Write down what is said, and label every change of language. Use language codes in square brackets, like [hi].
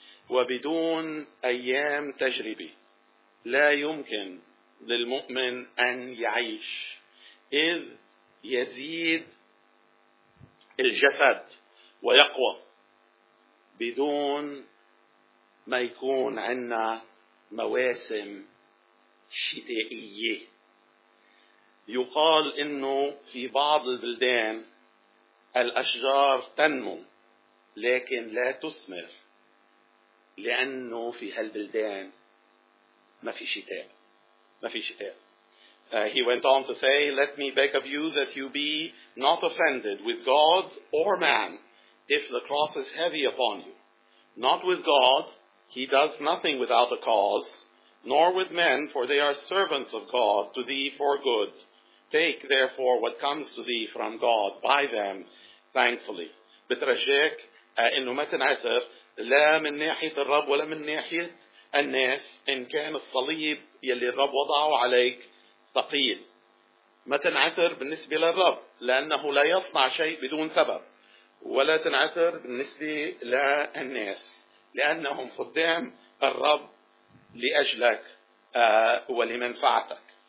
[ar] وبدون أيام تجربة لا يمكن للمؤمن أن يعيش، إذ يزيد الجسد ويقوى بدون ما يكون عندنا مواسم شتائية. يقال إنه في بعض البلدان الأشجار تنمو لكن لا تثمر لأنه في هالبلدان ما في شتاء. [en] He went on to say, let me beg of you that you be not offended with God or man if the cross is heavy upon you. Not with God, he does nothing without a cause, nor with men, for they are servants of God to thee for good. Take therefore what comes to thee from God by them thankfully. [ar] بترجيك انه ما تنعثر لا من ناحية الرب ولا من ناحية الناس، ان كان الصليب يلي الرب وضعه عليك ثقيل ما تنعثر بالنسبة للرب لانه لا يصنع شيء بدون سبب، ولا تنعثر بالنسبة للناس لأنهم خدام الرب لأجلك ولمنفعتك.